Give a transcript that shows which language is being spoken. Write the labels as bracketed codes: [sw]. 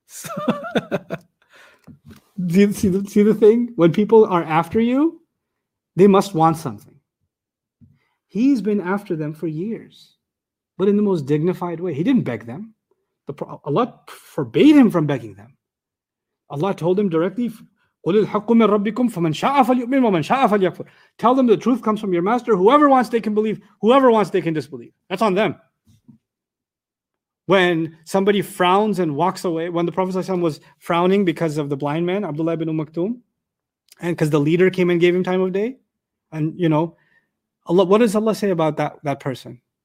[en] So, do you see the thing? When people are after you, they must want something. He's been after them for years, but in the most dignified way. He didn't beg them. Allah forbade him from begging them. Allah told him directly, [ar] قُلِ الْحَقُّ مِنْ رَبِّكُمْ فَمَنْ شَاءَ فَلْيُؤْمِنْ وَمَنْ شَاءَ فَلْيَكْفُرْ. [en] Tell them the truth comes from your master. Whoever wants, they can believe. Whoever wants, they can disbelieve. That's on them. When somebody frowns and walks away, when the Prophet ﷺ was frowning because of the blind man, Abdullah ibn Maktoum, and because the leader came and gave him time of day, and you know, Allah, what does Allah say about that person?